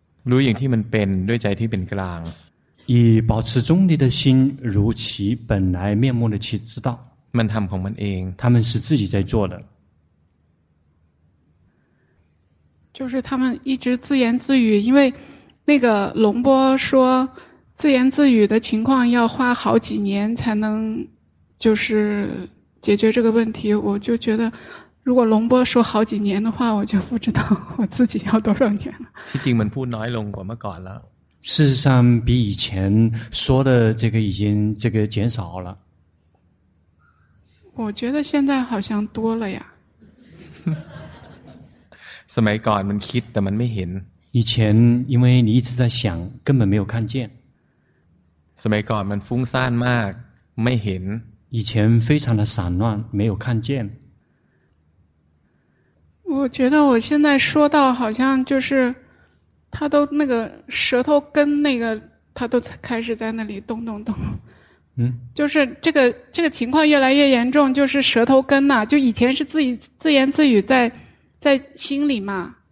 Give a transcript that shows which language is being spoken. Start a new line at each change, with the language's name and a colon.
Thai: รู้อย่างที่มันเป็นด้วยใจที่เป็นกลาง
Chinese: 以保持中立的心如其本来面目的去知道
Thai: มันทำของมันเอง
Chinese: 他们是自己在做的就是他们一直自言自语因为那个龙波说自言自语的情况要花好几年才能就是解决这个问题，我就觉得如果龙波说好几年的话，我就不知道我自己要多少年了。
Thai: ที่จริงมันพูดน้อยลงกว่าเมื่อก่อนแล้ว
Chinese: 事实上比以前说的这个已经这个减少了。我觉得现在好像多了呀。
Thai: สมัยก่อนมันคิดแต่มันไม่เห็น
Chinese: 以前因为你一直在想根本没有看见。
Thai: สมัยก่อนมันฟุ้งซ่านมากไม่เห็น
Chinese: 以前非常的散乱没有看见。我觉得我现在说到好像就是他都那个舌头跟那个他都开始在那里动动动。嗯就是这个情况越来越严重，就是舌头跟啊，就以前是自己自言自语在心里嘛。